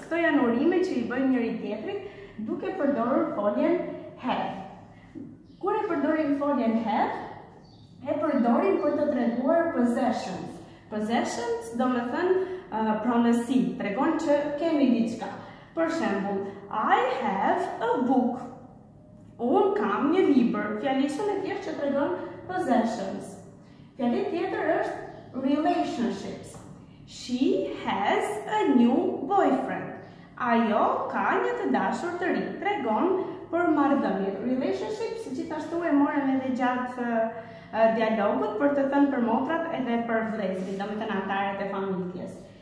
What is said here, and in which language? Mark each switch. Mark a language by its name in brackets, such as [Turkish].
[Albanian] Këto janë urime që i bëjmë njëri tjetrit duke përdorur foljen have. Kur e përdorim foljen have, e përdorim për të treguar possessions. Possessions do më thënë pronësi, tregon që kemi diçka. Për shembull, [English] I have a book. [Albanian] Un kam një libër. Fjalëshën e tjerë që tregon possessions. Fjalë tjetër është relationships. [English] She has a new boyfriend. [Albanian] Ajo ka një të dashur të ri. Tregon për marrëdhënie. Relationships gjithashtu e morëm edhe gjatë dialogut për të thënë për motrat edhe për vlezrit, domethënë anëtarët e familjes.